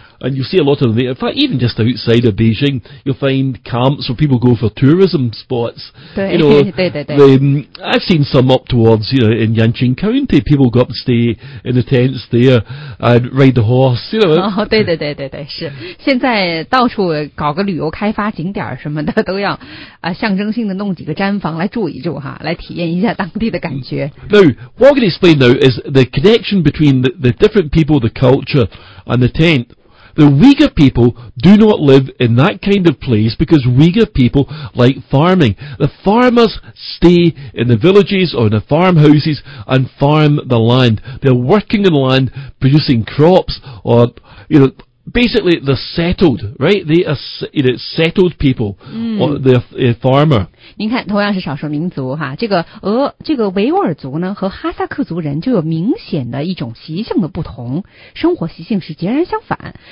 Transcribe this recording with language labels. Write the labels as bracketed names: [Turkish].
[English] And you see a lot of them, in fact, even just outside of Beijing, you'll find camps where people go for tourism spots. [Chinese] 对, [English] you know, [Chinese] 对对对 [English] I've seen some up towards, you know, in Yanqing County, people go up and stay in the tents there and ride the horse, you know. [Chinese] 哦，对对对对对，是。现在到处搞个旅游开发景点什么的都要象征性的弄几个毡房来住一住哈，来体验一下当地的感觉。 [English] Now, what I can explain now is the connection between the different people, the culture, and the tent. The Uyghur people do not live in that kind of place because Uyghur people like farming. The farmers stay in the villages or in the farmhouses and farm the land. They're working in the land, producing crops or, you know, basically they're settled, right? They are, you know, settled people,or they're a farmer. [Chinese] 您看，同样是少数民族哈，这个维吾尔族呢和哈萨克族人就有明显的一种习性的不同，生活习性是截然相反。